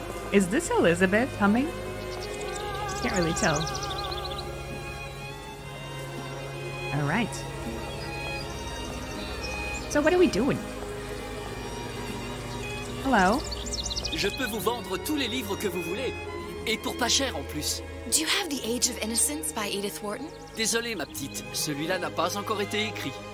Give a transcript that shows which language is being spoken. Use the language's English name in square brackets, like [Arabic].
[English] Is this Elizabeth humming? Can't really tell. All right. So what are we doing? Hello. [French] Je peux vous vendre tous les livres que vous voulez, et pour pas cher en plus. [English] Do you have The Age of Innocence by Edith Wharton? [French] Désolée, ma petite, celui-là n'a pas encore été écrit.